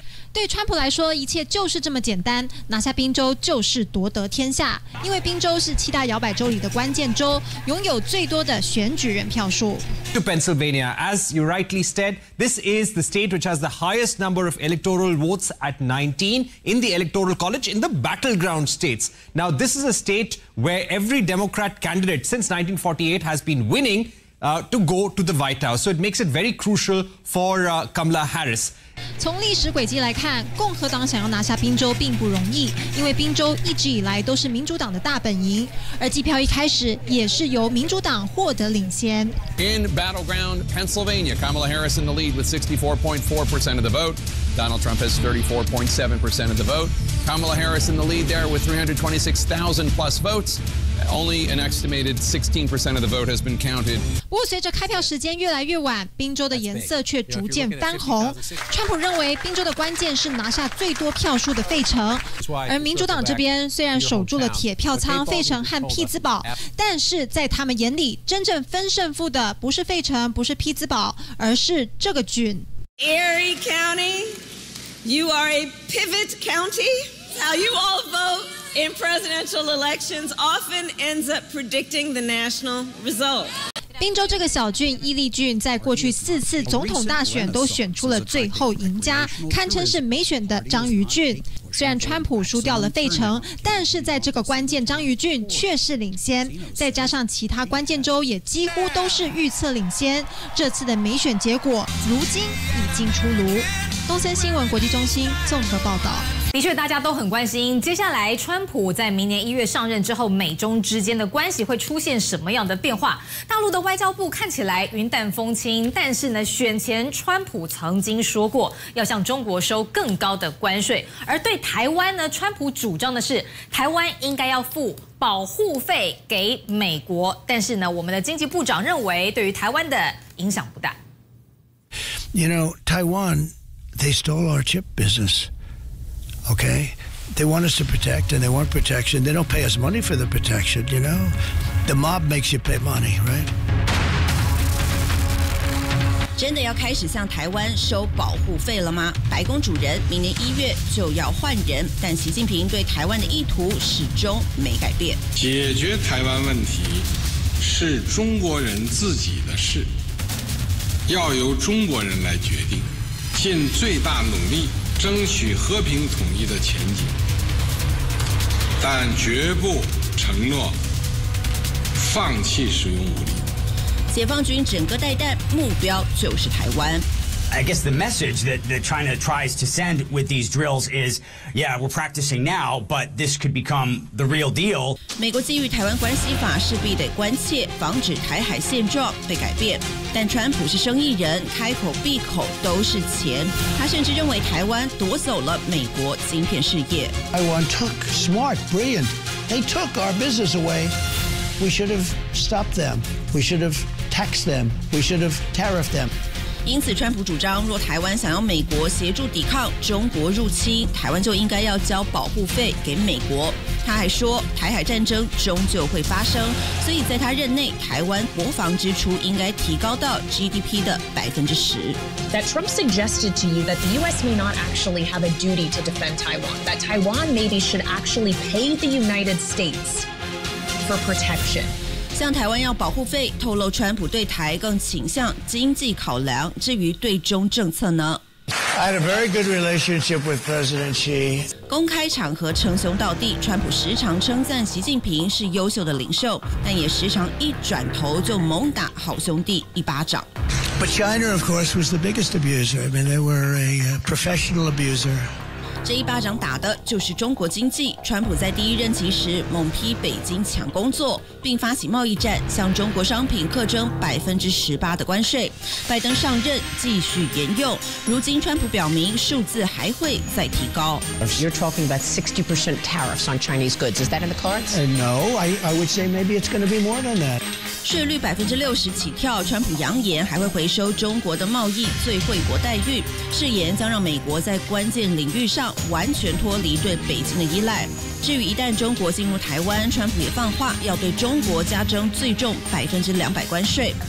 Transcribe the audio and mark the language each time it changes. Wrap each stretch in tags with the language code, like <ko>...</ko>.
<zh>对川普来说，一切就是这么简单，拿下宾州就是夺得天下，因为宾州是七大摇摆州里的关键州，拥有最多的选举人票数。</zh> <en>To Pennsylvania, as you rightly said, this is the state which has the highest number of electoral votes at 19 in the electoral college in the battleground states. Now, this is a state where every Democrat candidate since 1948 has been winning to go to the White House. So it makes it very crucial for Kamala Harris.</en> <zh>从历史轨迹来看，共和党想要拿下宾州并不容易，因为宾州一直以来都是民主党的大本营，而计票一开始也是由民主党获得领先。</zh> <en>In battleground Pennsylvania, Kamala Harris in the lead with 64.4% of the vote. Donald Trump has 34.7% of the vote. Kamala Harris in the lead there with 326,000 plus votes. Only an estimated 16% of the vote has been counted.</en> <zh>不过随着开票时间越来越晚，宾州的颜色却逐渐翻红。川普认为宾州的关键是拿下最多票数的费城，而民主党这边虽然守住了铁票仓费城和匹兹堡，但是在他们眼里真正分胜负的不是费城，不是匹兹堡，而是这个郡。</zh> <en>Erie County, you are a pivot county. How you all vote in presidential elections often ends up predicting the national result.</en> <zh>宾州这个小郡伊利郡在过去四次总统大选都选出了最后赢家，堪称是美选的章鱼郡。虽然川普输掉了费城，但是在这个关键章鱼郡却是领先，再加上其他关键州也几乎都是预测领先，这次的美选结果如今已经出炉。东森新闻国际中心综合报道。的确大家都很关心接下来川普在明年一月上任之后，美中之间的关系会出现什么样的变化。大陆的外交部看起来云淡风轻，但是呢选前川普曾经说过要向中国收更高的关税，而对台湾呢，川普主张的是台湾应该要付保护费给美国，但是呢我们的经济部长认为对于台湾的影响不大。</zh> <en>You know, Taiwan, they stole our chip businessOkay, they want us to protect and they want protection. They don't pay us money for the protection, you know? The mob makes you pay money, right?</en> <zh>真的要开始向台湾收保护费了吗？白宫主人明年一月就要换人，但习近平对台湾的意图始终没改变。解决台湾问题是中国人自己的事，要由中国人来决定，尽最大努力争取和平统一的前景，但绝不承诺放弃使用武力。解放军整个带弹，目标就是台湾。</zh> <en>I guess the message that China tries to send with these drills is, yeah, we're practicing now, but this could become the real deal.</en> <zh>美国基于台湾关系法势必得关切，防止台海现状被改变。但川普是生意人，开口闭口都是钱。他甚至认为台湾夺走了美国晶片事业。</zh> <en>Taiwan took smart, brilliant. They took our business away. We should have stopped them. We should have taxed them. We should have tariffed them.</en> <zh>因此川普主张若台湾想要美国协助抵抗中国入侵，台湾就应该要交保护费给美国。他还说台海战争终究会发生，所以在他任内台湾国防支出应该提高到 GDP 的10%。</zh> <en>That Trump suggested to you that the US may not actually have a duty to defend Taiwan, that Taiwan maybe should actually pay the United States for protection.</en> <zh>向台湾要保护费，透露川普对台更倾向经济考量。至于对中政策呢？</zh> <en>I had a very good relationship with President Xi.</en> <zh>公开场合称兄道弟，川普时常称赞习近平是优秀的领袖，但也时常一转头就猛打好兄弟一巴掌。</zh> <en>But China, of course, was the biggest abuser. I mean, they were a professional abuser.</en> <zh>这一巴掌打的就是中国经济。川普在第一任期时猛批北京抢工作，并发起贸易战，向中国商品课征18%的关税。拜登上任继续沿用，如今川普表明数字还会再提高。</zh> <en>You're talking about 60% tariffs on Chinese goods. Is that in the cards? No, I would say maybe it's going to be more than that.</en> <zh>税率60%起跳，川普扬言还会回收中国的贸易最惠国待遇，誓言将让美国在关键领域上完全脱离对北京的依赖。至于一旦中国进入台湾，川普也放话要对中国加征最重200%关税。</zh>